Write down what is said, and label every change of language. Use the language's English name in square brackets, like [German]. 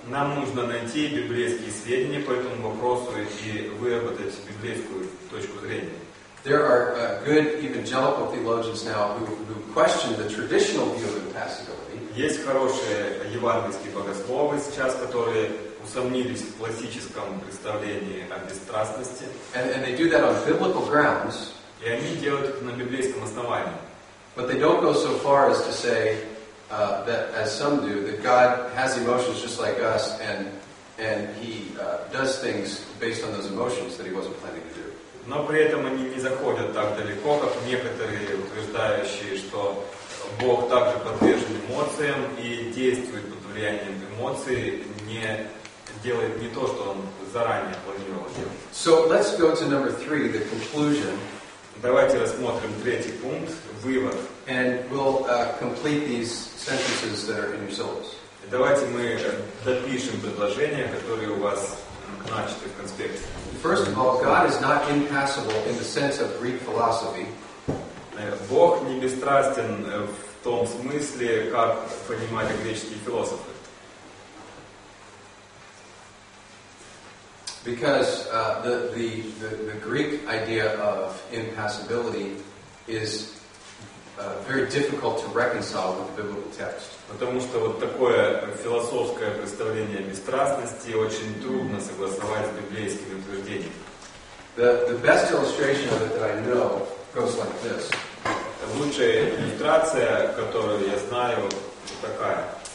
[Russian] Нам нужно найти библейские сведения по этому вопросу и выработать библейскую точку зрения. [English] There are good evangelical theologians now who question the traditional view of impassibility. [Russian] Есть хорошие евангельские богословы сейчас, которые усомнились в классическом представлении о бесстрастности. [English] And they do that on biblical grounds. [Russian] И они делают это на библейском основании. [English] But they don't go so far as to say that, as some do, that God has emotions just like us, and He does things based on those emotions that He wasn't planning to do. [Russian] Но при этом они не заходят так далеко, как некоторые утверждающие, что Бог также подвержен эмоциям и действует под влиянием эмоций, не делает не то, что он заранее планировал делать. [English] So let's go to number three, the conclusion. [Russian] Давайте рассмотрим третий пункт, вывод. [English] And we'll complete these sentences that are in your syllabus. [Russian] Давайте мы допишем предложения, которые у вас начаты в конспекте. [English] First of all, God is not impassible in the sense of Greek philosophy. [Russian] Бог не бесстрастен в том смысле, как понимали греческие философы. [English] Because the Greek idea of impassibility is very difficult to reconcile with the biblical text. [Russian] Потому что вот такое философское представление о бесстрастности очень трудно согласовать с библейскими утверждениями. [English] The best illustration of it that I know goes like this. [Russian] Лучшая иллюстрация, которую я знаю, вот такая.